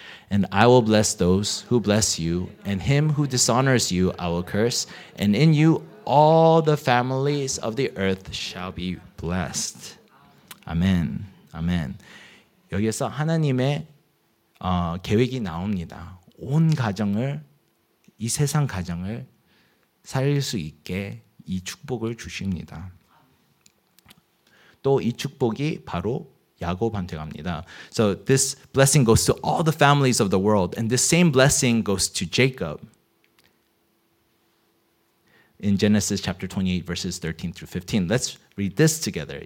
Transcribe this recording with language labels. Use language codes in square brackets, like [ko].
[en] And I will bless those who bless you, and him who dishonors you I will curse, and in you all the families of the earth shall be blessed. Amen. Amen. [ko] 여기에서 하나님의 계획이 나옵니다. 온 가정을, 이 세상 가정을 살릴 수 있게 이 축복을 주십니다. 또 이 축복이 바로 야곱한테 갑니다. [en] So this blessing goes to all the families of the world, and this same blessing goes to Jacob. In Genesis chapter 28, verses 13 through 15. Let's read this together.